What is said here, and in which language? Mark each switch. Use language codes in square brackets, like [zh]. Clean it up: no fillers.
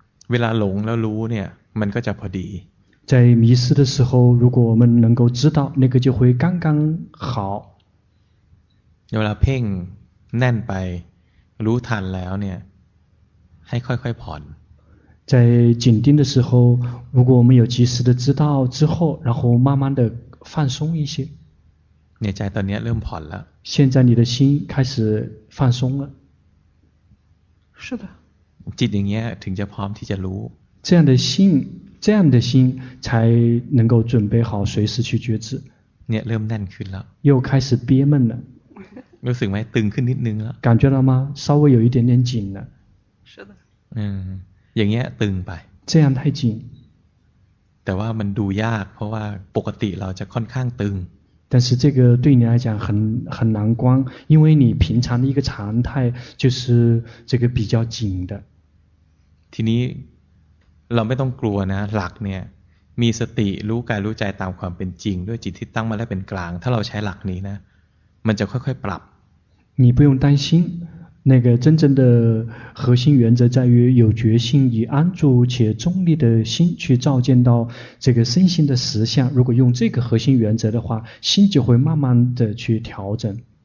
[th] เวลาหลงแล้วรู้เนี่ยมันก็จะพอดี [zh] 在迷失的时候如果我们能够知道那个就会刚刚好 [th] เวลาเพ่งแน่นไปรู้ทันแล้วเนี่ยให้ค่อยๆผ่อน [zh] 在紧盯的时候如果我们有及时的知道之后然后慢慢的放松一些 [th] เนี่ยใจตอนนี้เริ่มผ่อนแล้ว [zh] 现在你的心开始放松了是的 [th] จิตอย่างเงี้ยถึงจะพร้อมที่จะรู้ [zh] 这样的心才能够准备好随时去觉知 [th] เนี่ยเริ่มแน่นขึ้นแล้ว [zh] 又开始憋闷了 [th] รู้สึกไหมตึงขึ้นนิดนึงแล้ว [zh] 感觉到吗稍微有一点点紧了是的 [th] อย่างเงี้ยตึงไป [zh] 这样太紧 [th] แต่ว่ามันดูยากเพราะว่าปกติเราจะค่อนข้างตึง [zh] 但是这个对你来讲很难关因为你平常的一个常态就是这个比较紧的 [th] ทีนี้เราไม่ต้องกลัวนะหลักเนี่ยมีสติรู้กายรู้ใจตามความเป็นจริงด้วยจิตที่ตั้งมาแล้วเป็นกลางถ้าเราใช้หลักนี้นะ มันจะค่อยๆปรับ [zh] 你不用担心那个真正的核心原则在于有决心以安住且中立的心去照见到这个身心的实相如果用这个核心原则的话心就会慢慢的去调整